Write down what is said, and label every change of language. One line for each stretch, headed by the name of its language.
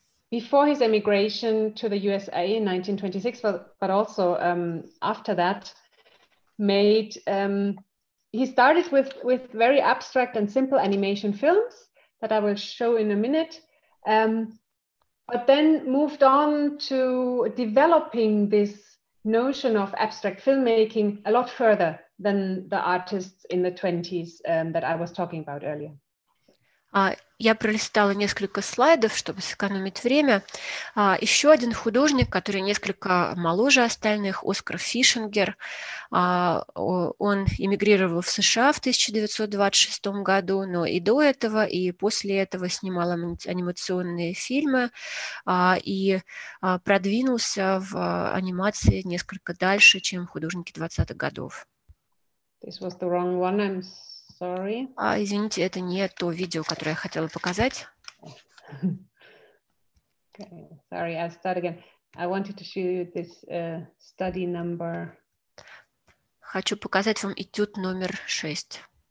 English: Before his emigration to the USA in 1926, but also after that, he started with very abstract and simple animation films that I will show in a minute. But then moved on to developing this notion of abstract filmmaking a lot further than the artists in the 20s that I was talking about earlier.
Russian: Я пролистала несколько слайдов, чтобы сэкономить время. Еще один художник, который несколько моложе остальных, Оскар Фишингер, он эмигрировал в США в 1926 году, но и до этого, и после этого снимал анимационные фильмы и продвинулся в анимации несколько дальше, чем художники 20-х годов.
English: This was the wrong one. Sorry.
Russian: Извините, это не то видео, которое я хотела показать.
English: Okay. Sorry, I'll start again. I wanted to show you this study number.
Russian: Хочу показать вам этюд номер 6.